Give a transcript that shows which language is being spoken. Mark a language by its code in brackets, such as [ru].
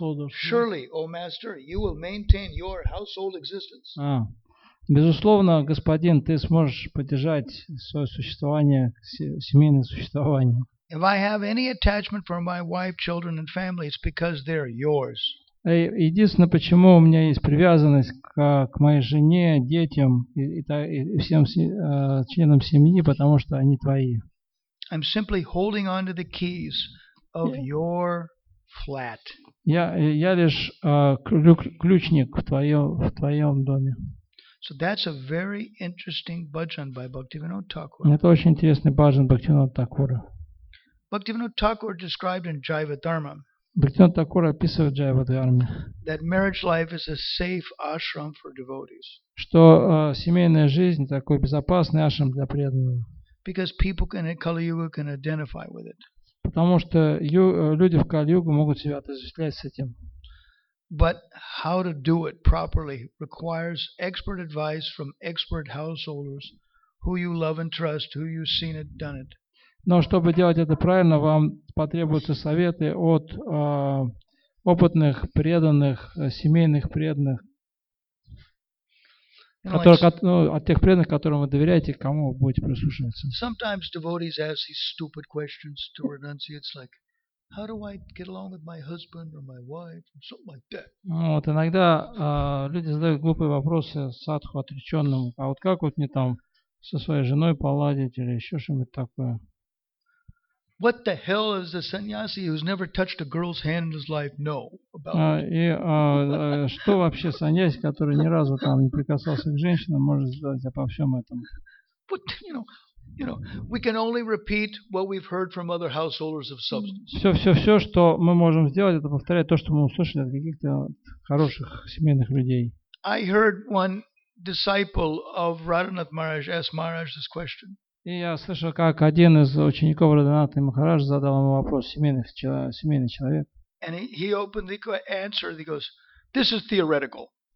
[en] Surely, O Master, you will maintain your household existence. [ru] Безусловно, господин, ты сможешь поддержать свое существование, семейное существование. [en] If I have any attachment for my wife, children, and family, it's because they're yours. [ru] Единственное, почему у меня есть привязанность к моей жене, детям и всем членам семьи, потому что они твои. [en] I'm simply holding on to the keys of your flat. [ru] Я лишь ключник в твоем доме. [en] So that's a very interesting bhajan by Bhaktivinoda Thakur. [ru] Это очень интересный бхаджан Бхактивинода Такура. [en] Bhaktivinoda Thakur described in Jiva Dharma. [ru] Бхактивинода Такура описывает в Jiva Dharma. [en] That marriage life is a safe ashram for devotees. [ru] Что семейная жизнь такой безопасный ашрам для преданного. [en] Because people in Kali Yuga can identify with it. [ru] Потому что люди в Кали-Югу могут себя отождествлять с этим. [en] But how to do it properly requires expert advice from expert householders who you love and trust, who you've seen it, done it. [ru] Но чтобы делать это правильно, вам потребуются советы от опытных, преданных, семейных преданных, от тех преданных, которым вы доверяете, кому вы будете прислушиваться. [en] Sometimes devotees ask these stupid questions to renunciates like, how do I get along with my husband or my wife or something like that? [ru] Вот иногда люди задают глупые вопросы садху отреченному. А вот как вот мне там со своей женой поладить или еще что-нибудь такое? [en] What the hell is the sannyasi who's never touched a girl's hand in his life know about? [ru] Что вообще сannyasi, который ни разу там не прикасался к женщинам, может знать обо всем этом? [en] But you know, we can only repeat what we've heard from other householders of substance. [ru] Все, что мы можем сделать, это повторять то, что мы услышали от каких-то хороших семейных людей. [en] I heard one disciple of Radhanath Maharaj ask Maharaj this question. [ru] И я слышал, как один из учеников Радханаты Махараджа задал ему вопрос, семейный человек. [en] And he opened the answer, he goes, this is theoretical.